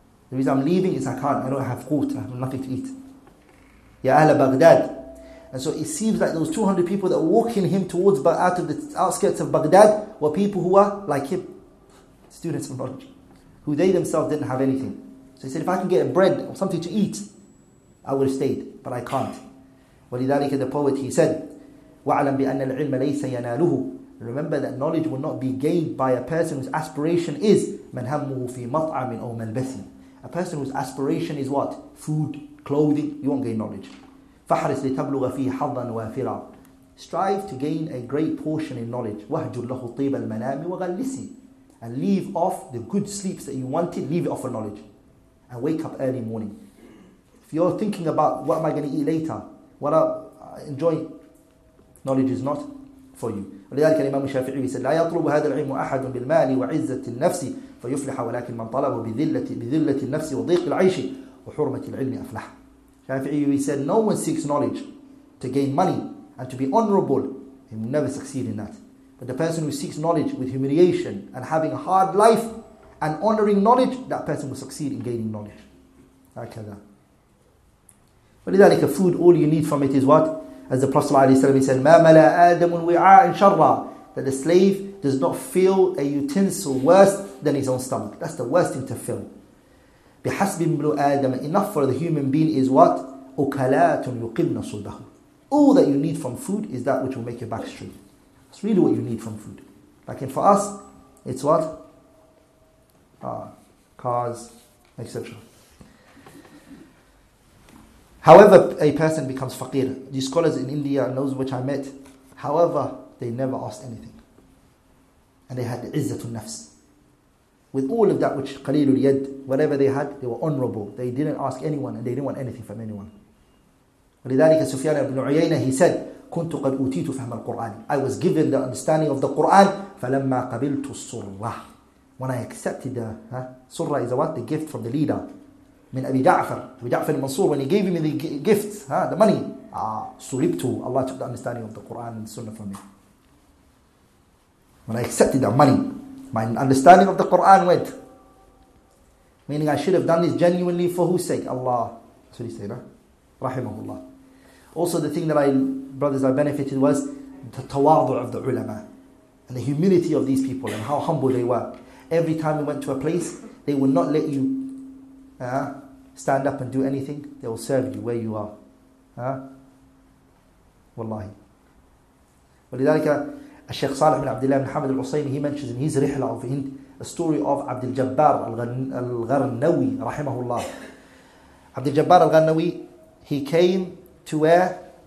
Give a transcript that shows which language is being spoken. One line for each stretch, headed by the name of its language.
English: The reason I'm leaving is I can't. I don't have food. I have nothing to eat.
Arabic: Ya Ahl Baghdad.
English: And so it seems like those 200 people that were walking him towards out of the outskirts of Baghdad were people who were like him, students of knowledge, who they themselves didn't have anything. So he said, if I can get a bread or something to eat, I would have stayed, but I can't.
Arabic: ولذلك
English: the poet, he said,
Arabic: وَعْلَمْ بِأَنَّ الْعِلْمَ لَيْسَ يَنَالُهُ.
English: Remember that knowledge will not be gained by a person whose aspiration is
Arabic: مَنْ هَمُّهُ فِي مَطْعَمٍ أَوْ مَلْبَسٍ.
English: A person whose aspiration is what? Food, clothing, you won't gain knowledge.
Arabic: فَحْرِسْ لِتَبْلُغَ فِيهِ حَظًّا وَافِرًا.
English: Strive to gain a great portion in knowledge.
Arabic: وَهْجُرْ لَهُ طِيبَ الْمَنَامِ وَغَلِّسِ.
English: And leave off the good sleeps that you wanted, leave it off for knowledge. And wake up early morning. If you're thinking about what am I going to eat later, what I enjoy, knowledge is not for you.
Arabic: ولذلك الإمام الشافعي
English: said,
Arabic: لا يطلب هذا العلم أحد بالمال وعزة النفس فيفلح ولكن من طلبه بذلة النفس وضيق العيش وحرمة العلم أفلح.
English: Shafi'i, he said, no one seeks knowledge to gain money and to be honorable. He will never succeed in that. But the person who seeks knowledge with humiliation and having a hard life and honoring knowledge, that person will succeed in gaining knowledge.
Arabic: هكذا. ولذلك
English: food, all you need from it is what? As the Prophet ﷺ said,
Arabic: ما ملا آدم وعاء شرا.
English: That the slave does not feel a utensil worse than his own stomach. That's the worst thing to feel.
Arabic: بحسب ابن آدم,
English: enough for the human being is what?
Arabic: أكلات يقمن صلبه.
English: All that you need from food is that which will make your back straight. It's really what you need from food. Like for us, it's what? Cars, etc. However, a person becomes faqir. These scholars in India, those which I met, however, they never asked anything. And they had
Arabic: izzatul nafs.
English: With all of that which
Arabic: qalilul yad,
English: whatever they had, they were honorable. They didn't ask anyone and they didn't want anything from anyone.
Arabic: ولذلك سفيان بن عيينة,
English: he said,
Arabic: كنت قد أوتيت فهم القرآن.
English: I was given the understanding of the Quran.
Arabic: فلما قبلت السرة.
English: When I accepted the سرة is what? The gift from the leader.
Arabic: من أبي جعفر. أبي جعفر المنصور.
English: When he gave me the gift, the money.
Arabic: سلبت.
English: Allah took the understanding of the Quran and the Sunnah from me. When I accepted the money, my understanding of the Quran went. Meaning I should have done this genuinely for whose sake? Allah. That's what he said. Rahimahullah. Also the thing that I benefited was the tawadu of the ulama and the humility of these people and how humble they were. Every time we went to a place, they would not let you stand up and do anything. They will serve you where you are.
Arabic: Wallahi. وَلِذَلِكَ الشيخ صالح بن عبد الله بن حمد العصيمي,
English: he mentions in his rihla of Hind, a story of
Arabic: عبد الجبار الغرنوي رحمه الله.
English: عبد الجبار الغرنوي, he came to where?